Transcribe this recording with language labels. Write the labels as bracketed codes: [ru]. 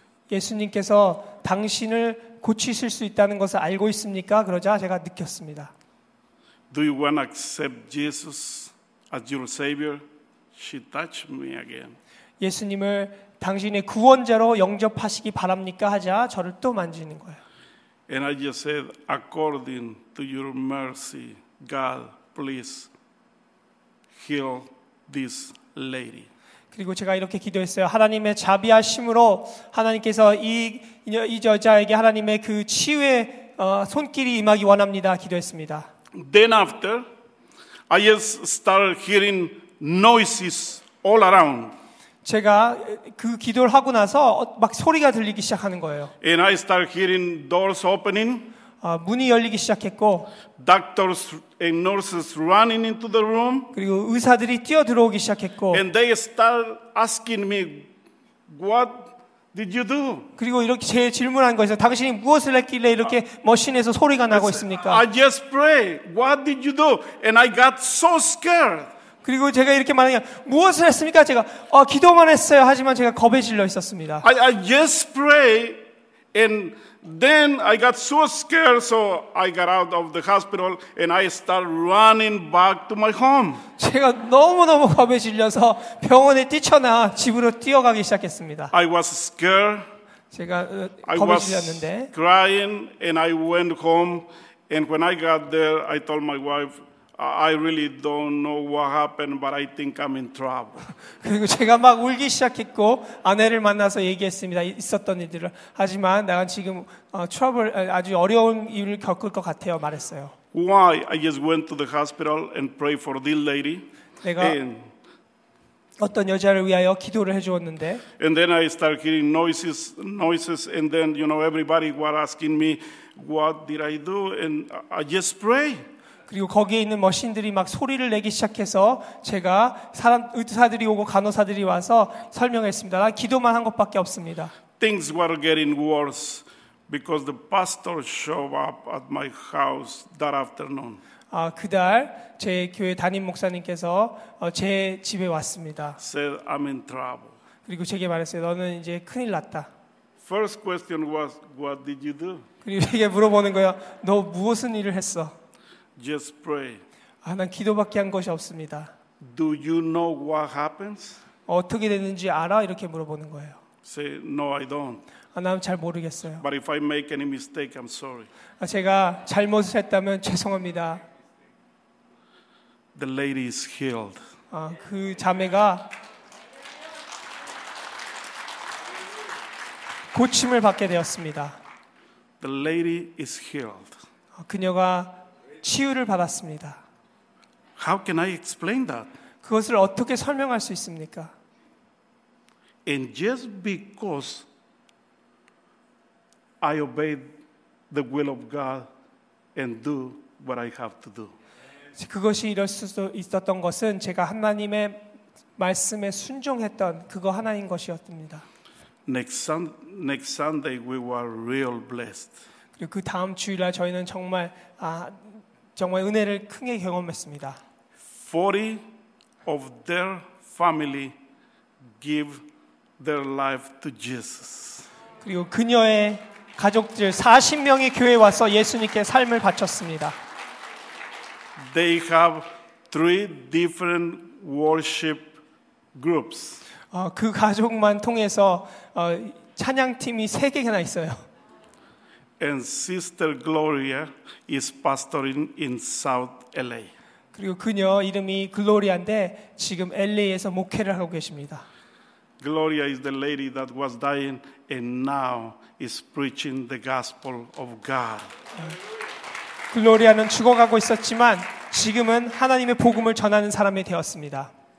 [ko] 예수님께서 당신을 고치실 수 있다는 것을 알고 있습니까? 그러자 제가 느꼈습니다. [en] Do you want to accept Jesus as your Savior? She touched me again. [ko] 예수님을 당신의 구원자로 영접하시기 바랍니까? 하자 저를 또 만지는 거예요. [en] And I just said, "According to your mercy, God, please heal this lady." [ko] 그리고 제가 이렇게 기도했어요. 하나님의 자비하심으로 하나님께서 이 여자에게 하나님의 그 치유의 손길이 임하기 원합니다. 기도했습니다. [en] Then after, I just started hearing noises all around. [ko] 제가 그 기도를 하고 나서 막 소리가 들리기 시작하는 거예요. [en] And I start hearing doors opening. [ko] 문이 열리기 시작했고. [en] Doctors and nurses running into the room. [ko] 그리고 의사들이 뛰어 들어오기 시작했고. [en] And they start asking me, "What did you do?" [ko] 그리고 이렇게 제 질문한 거예요. 당신이 무엇을 했길래 이렇게 머신에서 소리가 나고 있습니까? [en] I just pray. What did you do? And I got so scared. [ko] 그리고 제가 이렇게 말하니까 무엇을 했습니까? 제가 기도만 했어요. 하지만 제가 겁에 질려 있었습니다. [en] I just pray, and then I got so scared, so I got out of the hospital and I start running back to my home. [ko] 제가 너무너무 겁에 질려서 병원에 뛰쳐나 집으로 뛰어가기 시작했습니다. [en] I was scared. [ko] 제가 겁에 질렸는데. [en] I was crying and I went home, and when I got there, I told my wife, "I really don't know what happened, but I think I'm in trouble." [ko] 그리고 제가 막 울기 시작했고 아내를 만나서 얘기했습니다. 있었던 일들을. 하지만 나는 지금 트러블 아주 어려운 일을 겪을 것 같아요. 말했어요. [en] Why? I just went to the hospital and prayed for this lady. [ko] 내가 어떤 여자를 위하여 기도를 해주었는데. [en] And then I started hearing noises, and then you know everybody was asking me, "What did I do?" And I just pray. [ko] 그리고 거기에 있는 머신들이 막 소리를 내기 시작해서 제가 의사들이 오고 간호사들이 와서 설명했습니다. 난 기도만 한 것밖에 없습니다. [en] Things were getting worse because the pastor showed up at my house that afternoon. [ko] 그날 제 교회 담임 목사님께서 제 집에 왔습니다. [en] Said I'm in trouble. [ko] 그리고 제게 말했어요. 너는 이제 큰일 났다. [en] First question was, "What did you do?" [ko] 그리고 제게 물어보는 거야. 너 무슨 일을 했어? [en] Just pray. [ko] 난 기도밖에 한 것이 없습니다. [en] Do you know what happens? [ko] 어떻게 되는지 알아? 이렇게 물어보는 거예요. [en] Say no, I don't. [ko] 아, 나는 잘 모르겠어요. [en] But if I make any mistake, I'm sorry. [ko] 아, 제가 잘못을 했다면 죄송합니다. [en] The lady is healed. [ko] 아, 그 자매가 고침을 받게 되었습니다. [en] The lady is healed. [ko] 그녀가 치유를 받았습니다. [en] How can I explain that? [ko] 그것을 어떻게 설명할 수 있습니까? [en] And just because I obeyed the will of God and do what I have to do. [ko] 그것이 이럴 수도 있었던 것은 제가 하나님의 말씀에 순종했던 그거 하나인 것이었습니다. [en] Next Sunday we were real blessed. [ko] 그리고 그 다음 주일날 저희는 정말 아 정말 은혜를 크게 경험했습니다. [en] 40 of their family give their life to Jesus. [ko] 그리고 그녀의 가족들 40명이 교회에 와서 예수님께 삶을 바쳤습니다. [en] They have three different worship groups. [ko] 그 가족만 통해서 찬양팀이 세 개나 있어요. [en] And Sister Gloria is pastoring in South LA. [ko] 그리고 그녀 이름이 글로리아인데 지금 LA에서 목회를 하고 계십니다. [en] Gloria is the lady that was dying and now is preaching the gospel of God. [ko] 글로리아는 죽어가고 있었지만 지금은 하나님의 복음을 전하는 사람이 되었습니다.